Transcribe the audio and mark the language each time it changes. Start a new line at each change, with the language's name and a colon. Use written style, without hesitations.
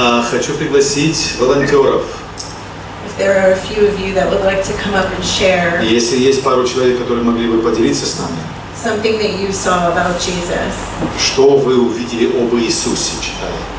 Russian: Хочу пригласить волонтеров.
English: If there are a few of you that would like to come up and share.
Russian: Если есть пару человек, которые могли бы поделиться с нами.
English: Something that you saw about Jesus.
Russian: Что вы увидели об Иисусе, читая?